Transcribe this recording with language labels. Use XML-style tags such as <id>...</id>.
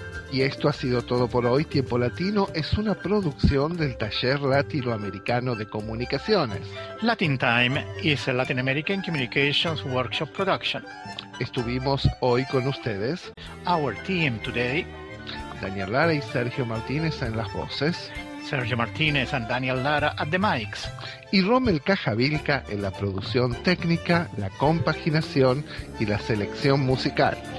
<es>Y esto ha sido todo por hoy. Tiempo Latino es una producción del Taller Latinoamericano de Comunicaciones.</es> <en>Latin Time is a Latin American Communications Workshop production.</en> <es>Estuvimos hoy con ustedes.</es> <en>Our team today.</en> <es>Daniel Lara y Sergio Martínez en las voces.</es> <en>Sergio Martínez and Daniel Lara at the mics.</en> <es>Y Rommel Cajavilca en la producción técnica, la compaginación y la selección musical.</es>